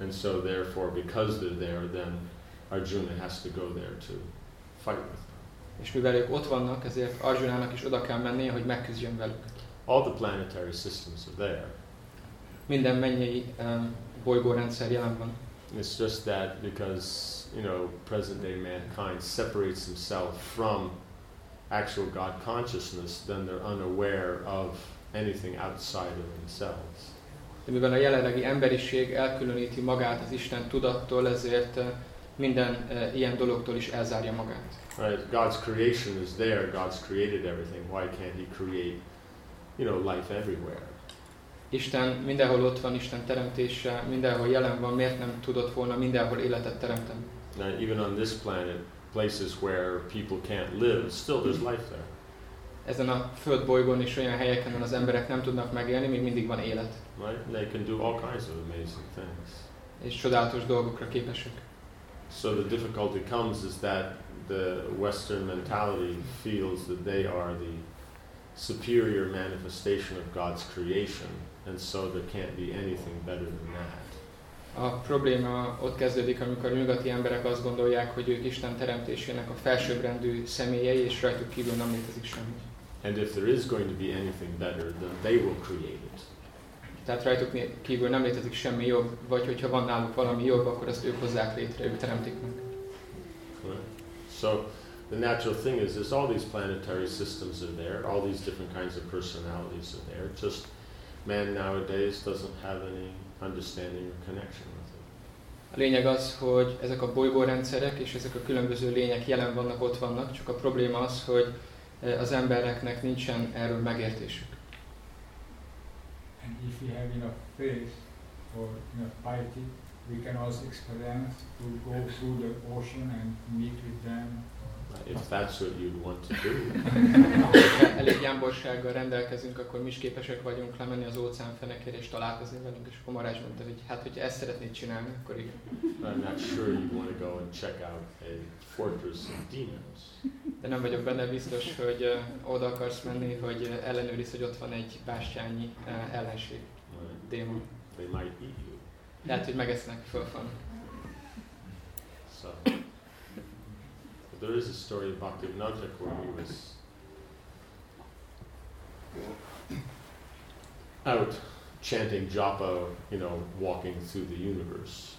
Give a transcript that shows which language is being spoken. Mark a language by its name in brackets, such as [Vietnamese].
[English] And so therefore because they're there, then Arjuna has to go there to fight with. [Hungarian] És mivel ők ott vannak, ezért Arjunának is oda kell mennie, hogy megküzdjön velük. [English] All the planetary systems are there. [Hungarian] Minden mennyei bolygórendszer jelen van. [English] It's just that because, you know, present-day mankind separates himself from actual God consciousness, then they're unaware of anything outside of themselves. [Hungarian] De mivel a jelenlegi emberiség elkülöníti magát az Isten tudattól, ezért minden ilyen dologtól is elzárja magát. [English] Right. God's creation is there. God's created everything. Why can't He create, you know, life everywhere? [Hungarian] Isten mindenhol ott van. Isten teremtése mindenhol jelen van. Miért nem tudott volna mindenhol életet teremteni? [English] Even on this planet, places where people can't live, still there's life there. [Hungarian] ezen a földbolygón is olyan helyeken, ahol az emberek nem tudnak megélni, még mindig van élet. [English] Right? They can do all kinds of amazing things. [Hungarian] És csodálatos dolgokra képesek. [English] So the difficulty comes is that the Western mentality feels that they are the superior manifestation of God's creation, and so there can't be anything better than that. [Hungarian] A probléma ott kezdődik, amikor nyugati emberek azt gondolják, hogy ők Isten teremtésének a felsőbbrendű személyei, és rajtuk kívül nem létezik semmi. [English] And if there is going to be anything better, then they will create it. [Hungarian] Tehát rajtuk kívül nem létezik semmi jobb, vagy hogyha van náluk valami jobb, akkor azt ők hozzák létre, ők teremtik meg. [English] So the natural thing is all these planetary systems are there, all these different kinds of personalities are there, just man nowadays doesn't have any understanding or connection with it. [Hungarian] A lényeg az, hogy ezek a bolygórendszerek és ezek a különböző lények jelen vannak, ott vannak, csak a probléma az, hogy az embereknek nincsen erről megértésük. [English] And if we have enough faith or enough piety, we can also experiment to go through the ocean and meet with them. If that's what you'd want to do. [Hungarian] Elég jámborsággal rendelkezünk, akkor mi is képesek vagyunk lemenni az óceán fenekére és találkozni velünk, és akkor Marázs mondta, hogy hát, hogyha ezt szeretnéd csinálni, akkor igen. [English] I'm not sure you'd want to go and check out a fortress of demons. [Hungarian] De nem vagyok benne biztos, hogy oda akarsz menni, hogy ellenőriz, hogy ott van egy bástyányi ellenség, démon. [English] They might eat you. [Hungarian] Lehet, hogy megesznek, föl van. [English] So. There is a story of Bhaktivinoda where he was out chanting japa, you know, walking through the universe.